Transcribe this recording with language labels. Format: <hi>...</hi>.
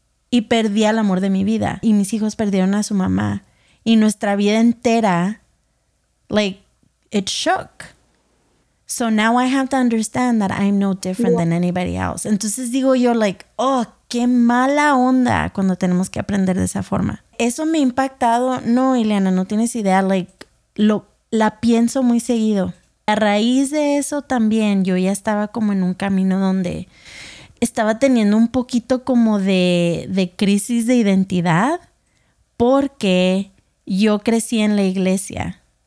<es>Y perdí al amor de mi vida. Y mis hijos perdieron a su mamá. Y nuestra vida entera, like,</es> <en>it shook. So now I have to understand that I'm no different than anybody else.</en> <es>Entonces digo yo, like, oh, qué mala onda cuando tenemos que aprender de esa forma. Eso me ha impactado. No, Iliana, no tienes idea. Like, la pienso muy seguido. A raíz de eso también, yo ya estaba como en un camino donde estaba teniendo un poquito como de crisis de identidad porque yo crecí en la iglesia.</es>